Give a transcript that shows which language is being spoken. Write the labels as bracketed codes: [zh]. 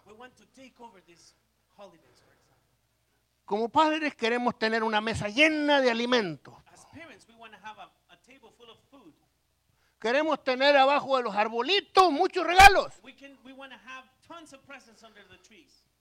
[en] We want to take over this holidays, for example. [es] Como padres queremos tener una mesa llena de alimentos. [en] As parents, we want to have a table full of food. [es] Queremos tener abajo de los arbolitos muchos regalos. [en] We want to have tons of presents under the trees.